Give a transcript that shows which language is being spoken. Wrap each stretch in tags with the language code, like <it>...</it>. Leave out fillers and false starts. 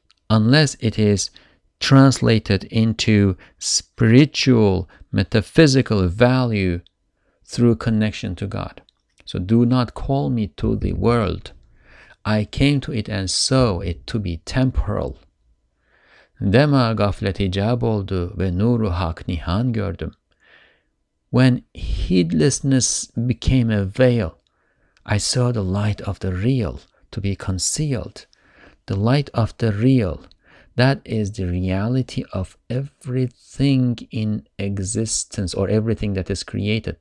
<en>Unless it is translated into spiritual, metaphysical value through connection to God. So do not call me to the world. I came to it and saw it to be temporal.</en> <tr>Dema gaflet icab oldu ve nuru hak nihan gördüm.</tr> <en>When heedlessness became a veil, I saw the light of the real to be concealed. The light of the real, that is the reality of everything in existence or everything that is created.</en>